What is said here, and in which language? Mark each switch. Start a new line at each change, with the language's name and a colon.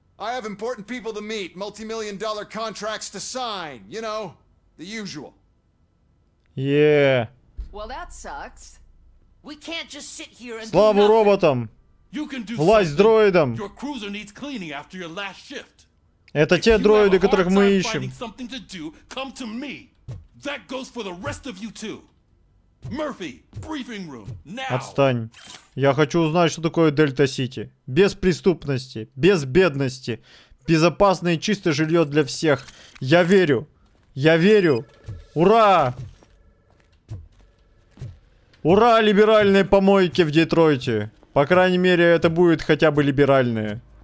English: I have important people to meet, multi-million dollar contracts to sign, you know, the usual. Yeah. Well, that sucks. We can't just sit here and
Russian: Славу роботам.
English: You can do
Russian: Власть дроидам.
English: Your cruiser needs cleaning after your last shift. Это те дроиды, которых мы ищем. Something to do, come to me. That goes for the rest of you too. Murphy, briefing room, now.
Russian: Отстань. Я хочу узнать, что такое Дельта Сити. Без преступности, без бедности. Безопасное и чистое жилье для всех. Я верю. Я верю. Ура! Ура, либеральные помойки в Детройте. По крайней мере, это будет хотя бы либеральные.